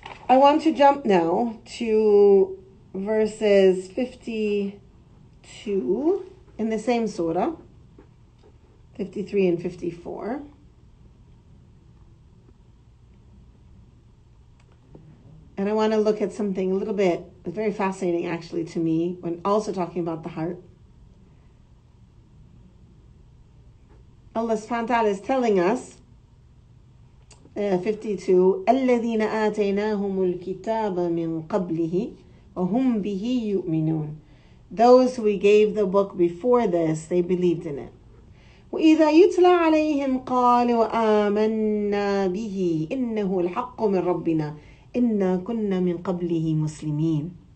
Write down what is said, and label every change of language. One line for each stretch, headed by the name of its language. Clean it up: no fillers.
English: I want to jump now to verses 52 in the same surah, 53 and 54. And I want to look at something a little bit very fascinating actually to me when also talking about the heart. Allah subhanahu wa ta'ala is telling us, 52,
Arabic: الَّذِينَ آتَيْنَاهُمُ الْكِتَابَ مِنْ قَبْلِهِ وَهُمْ بِهِ يُؤْمِنُونَ.
English: Those who we gave the book before this, they believed in it.
Arabic: وَإِذَا يُتْلَى عَلَيْهِمْ قَالُوا آمَنَّا بِهِ إِنَّهُ الْحَقُّ مِنْ رَبِّنَا إِنَّا كُنَّا مِنْ قَبْلِهِ مُسْلِمِينَ.